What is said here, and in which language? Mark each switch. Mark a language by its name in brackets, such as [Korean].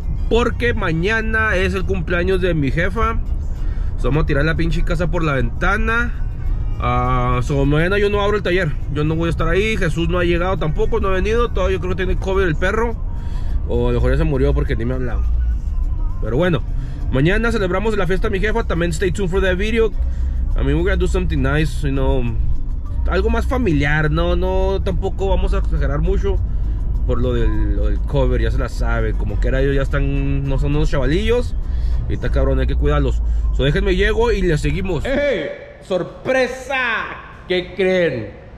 [Spanish] Porque mañana es el cumpleaños de mi jefa. So, vamos a tirar la pinche casa por la ventana. So, mañana yo no abro el taller. Yo no voy a estar ahí. Jesús no ha llegado tampoco, no ha venido. Todavía yo creo que tiene COVID el perro. O a lo mejor ya se murió porque ni me ha hablado. Pero bueno, mañana celebramos la fiesta de mi jefa. [English] También stay tuned for that video. I mean, we're gonna do something nice, you know. [Spanish] Algo más familiar, no, tampoco vamos a exagerar mucho. Por lo del cover, ya se la sabe. Como que era ellos, ya están, no son unos chavalillos. Y está cabrón, hay que cuidarlos. So déjenme llego y le seguimos. ¡Ey! ¡Sorpresa! ¿Qué creen?